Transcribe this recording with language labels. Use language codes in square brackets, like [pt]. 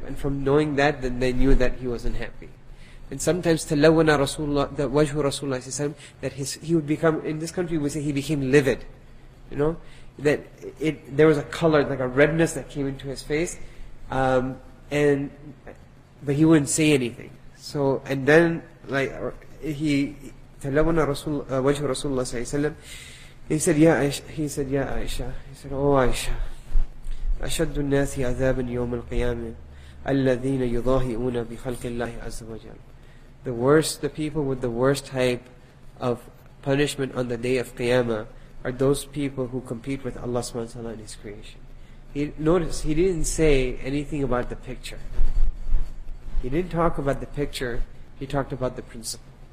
[en] And from knowing that, then they knew that he wasn't happy. And sometimes [ar] تَلَوَّنَا رَسُولُ اللَّهِ, [en] the [ar] وَجْهُ رَسُولُ اللَّهِ صَلَّى اللَّهُ عَلَيْهِ وَسَلَّمَ, [en] that he would become, in this country we say he became livid. You know? That it, there was a color, like a redness that came into his face. But he wouldn't say anything. So, and then, like, he, [ar] تَلَوَّنَا وَجْهُ رَسُولُ اللَّهِ صَلَّى اللَّهُ عَلَيْهِ وَسَلَّمَ, [en] He said, Ya Aisha. He said, Oh Aisha, [ar] أشد الناس عذابا يوم القيامة الذين يضاهئون بخلق الله عز وجل. [en] The worst, the people with the worst type of punishment on the day of Qiyamah are those people who compete with Allah subhanahu wa ta'ala in His creation. Notice, he didn't say anything about the picture. He didn't talk about the picture, he talked about the principle.